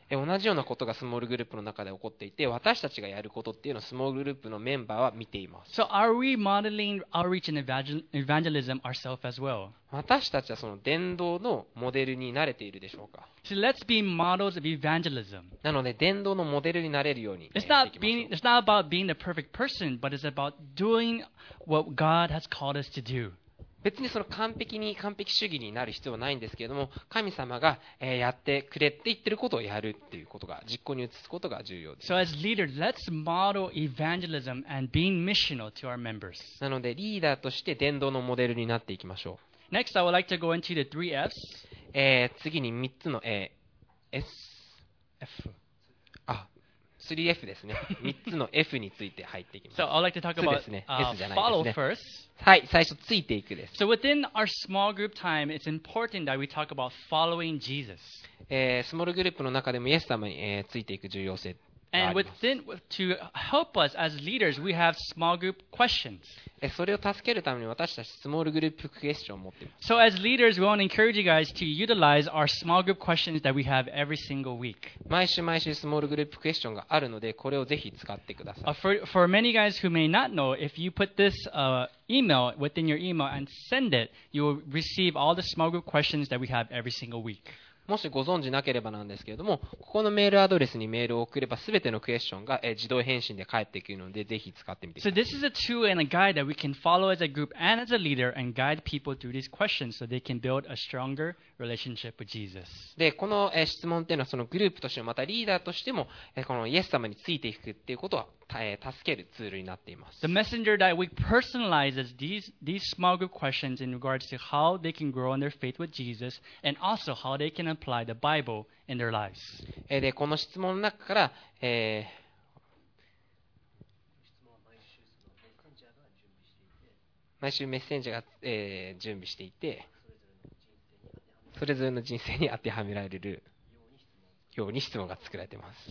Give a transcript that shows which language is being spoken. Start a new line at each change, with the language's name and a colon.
Japanese: 同じようなことがスモールグループの中で起こっていて、私たちがやることっていうのをスモールグループのメンバーは見ています。
English: So are we modeling outreach and evangelism ourselves as well?
Japanese: 私たちはその伝道のモデルに慣れているでしょうか。
English: So let's be models of evangelism.
Japanese: なので伝道のモデルになれるように、
English: It's not about being the perfect person, but it's about doing what God has called us to do.
Japanese: 別にその完璧に完璧主義になる必要はないんですけれども、神様がやってくれって言ってることをやるっていうことが、実行に移すことが重要です。
English: So as leader, let's model evangelism and being missional to our members.
Japanese: なのでリーダーとして伝道のモデルになっていきましょう。
English: Next, I would like to go into the three F's.
Japanese: 次に3つの S。 F。あ、3F ですね。 3つの F について入っていきます。
English: So I'd like to talk about、
Japanese: ね、S じゃないですね。
English: Follow first.
Japanese: はい、最初ついていくです。
English: So within our small group time, it's important that we talk about following Jesus.
Japanese: スモールグループの中でもイエス様に、ついていく重要性があります。
English: And within, to help us as leaders, we have small group questions.
Japanese: それを助けるために私たちスモールグループクエスチョンを持っています。
English: So as leaders, we want to encourage you guys to utilize our small group questions that we have every single week.
Japanese: 毎週毎週スモールグループクエスチョンがあるので、これをぜひ使ってください。
English: For many guys who may not know, if you put this email within your email and send it, you will receive all the small group questions that we have every single week.
Japanese: もしご存知なければなんですけれども、ここのメールアドレスにメールを送れば、すべてのクエスチョンが自動返信で返ってくるので、ぜひ使ってみてください。
English: So this is a tool and a guide that we can follow as a group and as a leader and guide people through these questions so they can build a stronger relationship with Jesus.
Japanese: で、この質問っていうのは、そのグループとしても、またリーダーとしても、このイエス様についていくっていうことは、助けるツールになっています。
English: The messenger that we personalize is these small group questions in regards to how they can grow in their faith with Jesus and also how they can apply the Bible in their lives.
Japanese: で、この質問の中から、毎週メッセンジャーが、準備していて、それぞれの人生に当てはめられるように質問が作られています。